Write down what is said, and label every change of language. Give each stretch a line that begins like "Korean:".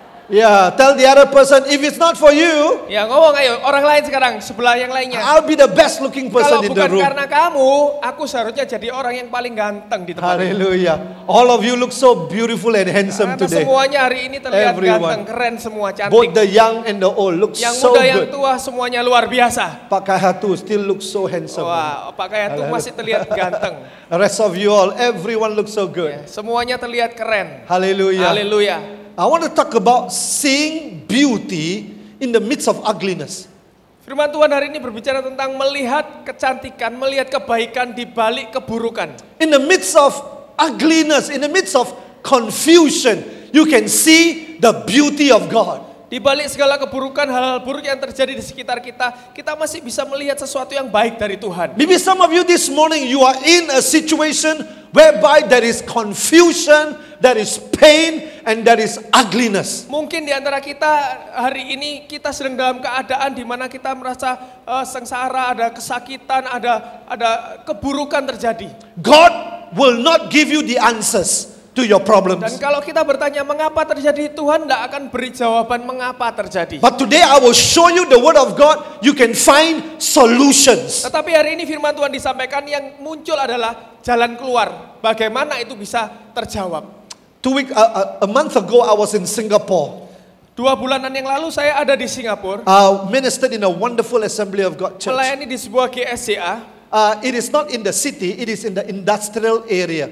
English: Yeah, tell the other person if it's not for you.
Indonesian: Ya, ngomong ayo orang lain sekarang, sebelah yang lainnya.
English: I'll be the best looking person in the room.
Indonesian: Kalau bukan karena kamu, aku seharusnya jadi orang yang paling ganteng di tempat.
English: Hallelujah. All of you look so beautiful and handsome
Indonesian: karena
English: today.
Indonesian: Semuanya hari ini terlihat
English: Everyone.
Indonesian: Ganteng, keren semua, cantik.
English: Both the young and the old look
Indonesian: yang
English: so good.
Indonesian: Yang muda yang tua semuanya luar biasa.
English: Pak Kayatu still look so handsome.
Indonesian: Wah, Pak Kayatu masih terlihat ganteng.
English: The rest of you all, everyone looks so good.
Indonesian: semuanya terlihat keren.
English: Hallelujah. Hallelujah. I want to talk about seeing beauty in the midst of ugliness.
Indonesian: Firman Tuhan hari ini berbicara tentang melihat kecantikan, melihat kebaikan di balik keburukan.
English: In the midst of ugliness, in the midst of confusion, you can see the beauty of God.
Indonesian: Di balik segala keburukan, hal-hal buruk yang terjadi di sekitar kita, kita masih bisa melihat sesuatu yang baik dari Tuhan.
English: Maybe some of you this morning you are in a situation whereby there is confusion, there is pain, and there is ugliness.
Indonesian: Mungkin di antara kita hari ini kita sedang dalam keadaan di mana kita merasa sengsara, ada kesakitan, ada keburukan terjadi.
English: God will not give you the answers to your problems.
Indonesian: Dan kalau kita bertanya mengapa terjadi, Tuhan tidak akan beri jawaban mengapa terjadi.
English: But today I will show you the word of God, you can find solutions.
Indonesian: Tetapi hari ini firman Tuhan disampaikan yang muncul adalah jalan keluar. Bagaimana itu bisa terjawab?
English: A month ago I was in Singapore.
Indonesian: Dua bulanan yang lalu saya ada di Singapura.
English: Ministered in a wonderful assembly of God church.
Indonesian: Melayani di sebuah GSCA.
English: It is not in the city, it is in the industrial area.